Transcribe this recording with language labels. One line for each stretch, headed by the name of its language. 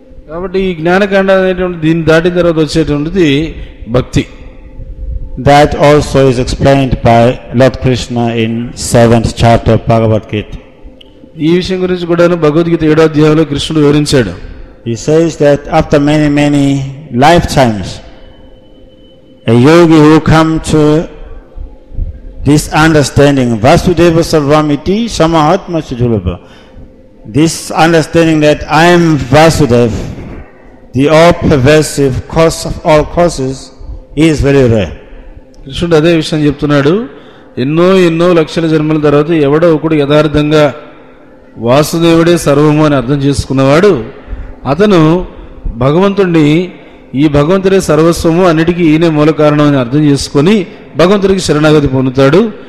Telugu: కాబట్టి ఈ జ్ఞానకాండ అనేటువంటి దీన్ని దాటిన తర్వాత వచ్చేటువంటిది భక్తి.
English: That also is explained by Lord Krishna in 7th chapter of Bhagavad Gita.
Telugu: ఈ విషయం గురించి కూడా భగవద్గీత 7వ అధ్యాయంలో కృష్ణుడు వివరించాడు.
English: He says that after many many lifetimes, a yogi who comes to this understanding,
Sanskrit: Vasudeva Sarvamiti Samahatma Sujulabha,
English: this understanding that I am Vasudev, the all-pervasive cause of all causes, is very rare.
Telugu: కృష్ణుడు అదే విషయం చెప్తున్నాడు. ఎన్నో ఎన్నో లక్షల జన్మల తర్వాత ఎవడో ఒకడు యథార్థంగా వాసుదేవుడే సర్వము అని అర్థం చేసుకున్నవాడు, అతను భగవంతుణ్ణి, ఈ భగవంతుడే సర్వస్వము, అన్నిటికీ ఈయనే మూల కారణం అని అర్థం చేసుకుని భగవంతుడికి శరణాగతి పొందుతాడు.